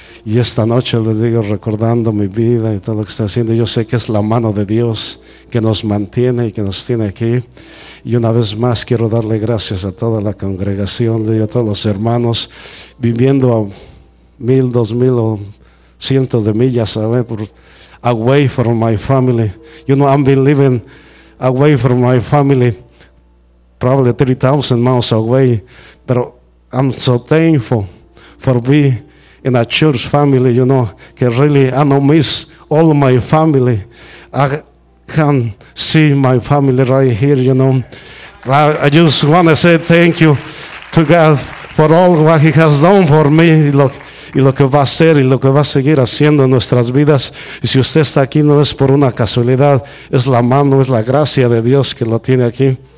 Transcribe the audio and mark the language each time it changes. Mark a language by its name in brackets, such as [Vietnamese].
[Spanish] Y esta noche les digo, recordando mi vida y todo lo que está haciendo, yo sé que es la mano de Dios que nos mantiene y que nos tiene aquí. Y una vez más quiero darle gracias a toda la congregación, a todos los hermanos viviendo a 1,000, 2,000 o cientos de millas [English] away from my family. You know, I've been living away from my family probably 3,000 miles away, but I'm so thankful for being in a church family, you know, que really I don't miss all my family. I can see my family right here, you know. I just want to say thank you to God for all what He has done for me. [Spanish] Look, y lo que va a hacer y lo que va a seguir haciendo en nuestras vidas. Y si usted está aquí, no es por una casualidad, es la mano, es la gracia de Dios que lo tiene aquí.